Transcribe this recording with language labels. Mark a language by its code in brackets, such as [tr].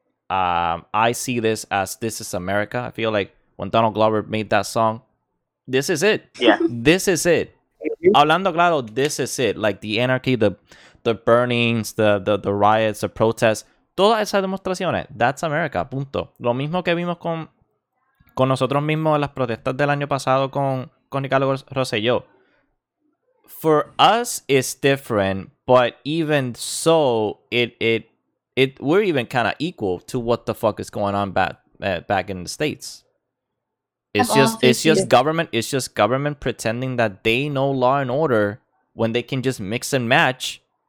[en] I see this as this is America. I feel like when Donald Glover made that song, this is it. Yeah. This is it. [es] Hablando claro, [en] this is it. Like the anarchy, the burnings, the riots, the protests. [es] Todas esas demostraciones. [en] That's America. [es] Punto. Lo mismo que vimos con nosotros mismos en las protestas del año pasado con Ricardo Rosselló. [en] For us, it's different, but even so, it we're even kind of equal to what the fuck is going on back in the States. It's just government pretending that they know law and order when they can just mix and match.